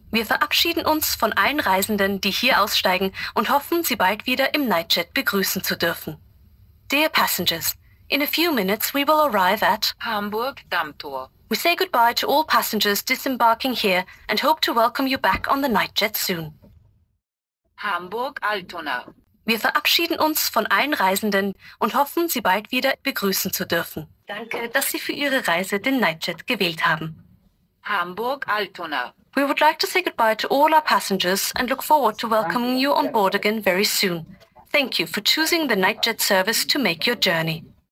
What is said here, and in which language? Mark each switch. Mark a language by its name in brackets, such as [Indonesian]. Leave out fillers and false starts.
[German] Wir verabschieden uns von allen Reisenden, die hier aussteigen, und hoffen, Sie bald wieder im Nightjet begrüßen zu dürfen. [English] Dear passengers, in a few minutes we will arrive at Hamburg Dammtor. We say goodbye to all passengers disembarking here and hope to welcome you back on the Nightjet soon. Hamburg Altona. [German] Wir verabschieden uns von allen Reisenden und hoffen, Sie bald wieder begrüßen zu dürfen. Danke, dass Sie für Ihre Reise den Nightjet gewählt haben. Hamburg Altona. [English] We would like to say goodbye to all our passengers and look forward to welcoming you on board again very soon. Thank you for choosing the Nightjet service to make your journey.